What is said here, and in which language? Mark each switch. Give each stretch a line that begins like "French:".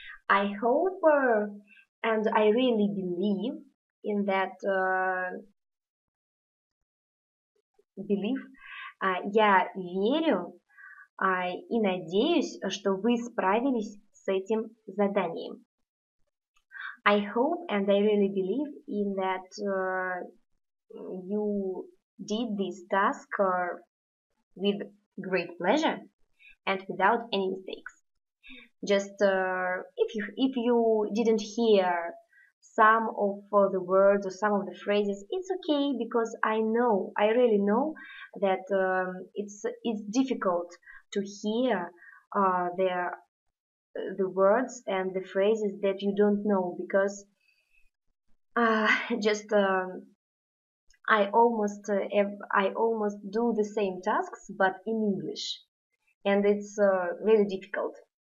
English: I hope and I really believe in that believe.
Russian: Я верю и надеюсь, что вы справились с этим заданием.
English: I hope and I really believe in that you did this task with great pleasure and without any mistakes. Just if you didn't hear some of the words or some of the phrases, it's okay, because I really know that it's difficult to hear the words and the phrases that you don't know, because I almost do the same tasks but in English, and it's really difficult.